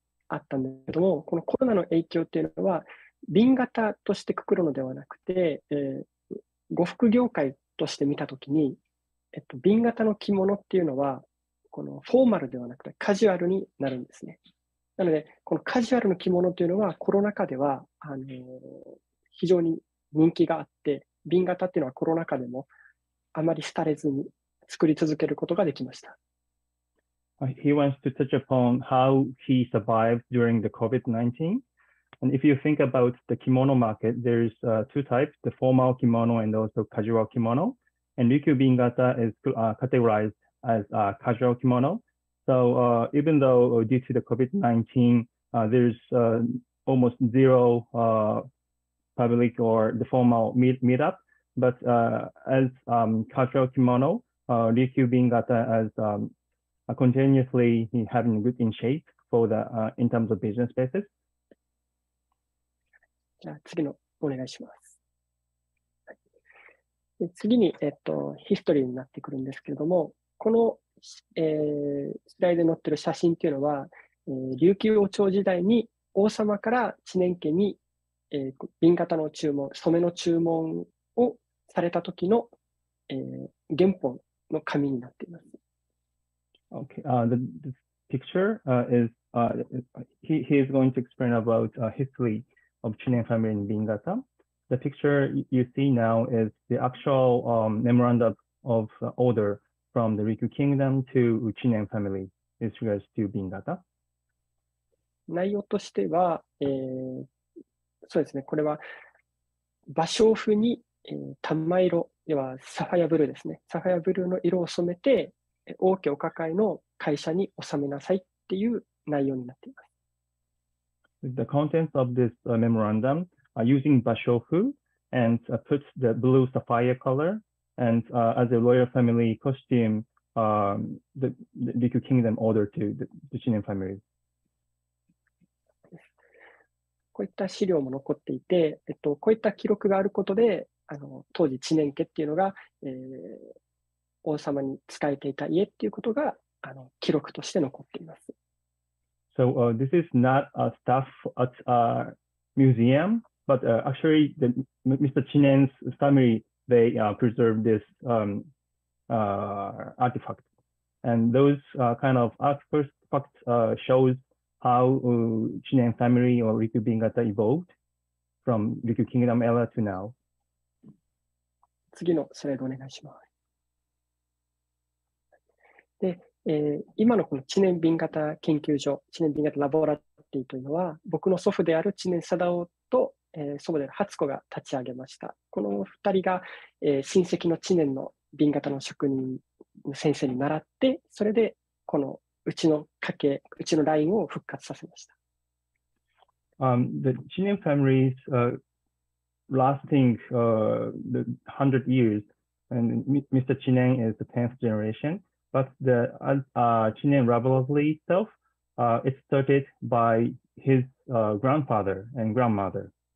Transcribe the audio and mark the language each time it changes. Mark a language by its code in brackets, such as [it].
[ja] あったんですけども、このコロナの影響っていうのは瓶型としてくくるのではなくて、呉服業界として見たときに、瓶型の着物っていうのはこのフォーマルではなくてカジュアルになるんですね。なのでこのカジュアルの着物っていうのはコロナ禍では非常に人気があって、瓶型っていうのはコロナ禍でもあまり廃れずに作り続けることができました。 [en] He wants to touch upon how he survived during the COVID-19. And if you think about the kimono market, there's two types, the formal kimono and also casual kimono. And Ryukyu Bingata is categorized as casual kimono. So even though due to the COVID-19, there's almost zero public or the formal meetup, but as casual kimono, Ryukyu Bingata as continuously having good in shape for the in terms of business basis. [ja] じゃあ次のお願いします。で次にヒストリーになってくるんですけれども、この、スライドに載ってる写真というのは、琉球王朝時代に王様から知念家に瓶型の注文、染めの注文をされた時の、原本の紙になっています。 [en] Okay, this picture is, he is going to explain about history of Chinen family in Bingata. The picture you see now is the actual memorandum of order from the Ryukyu Kingdom to Chinen family in regards to Bingata. [ja] 内容としては、そうですね、これは芭蕉布に、玉色、ではサファイアブルーですね、サファイアブルーの色を染めて、王家お抱えの会社に納めなさいっていう内容になっています。 [en] The contents of this memorandum are using bashofu and put the blue sapphire color and as a royal family costume the Ryukyu Kingdom ordered to the Chinen family. [ja] こういった資料も残っていて、こういった記録があることで当時知念家っていうのが、王様に仕えていた家っていうことが記録として残っています。 [en] So, this is not a staff at a museum, but actually, the Mr. Chinen's family they preserved this artifact. And those kind of artifacts shows how Chinen family or Ryukyu Bingata evolved from Ryukyu Kingdom era to now. [ja] 次のスライドお願いします。で、今のこの知念紅型研究所、知念紅型ラボラトリーというのは、僕の祖父である知念貞夫と、祖母である初子が立ち上げました。この2人が、親戚の知念の紅型の職人の先生に習って、それでこのうちの家系、うちのラインを復活させました。 [en] The Chinen family's lasting the 100 years, and Mr. Chinen is the 10th generation, but the Chinen rivalry itself, it started by his grandfather and grandmother.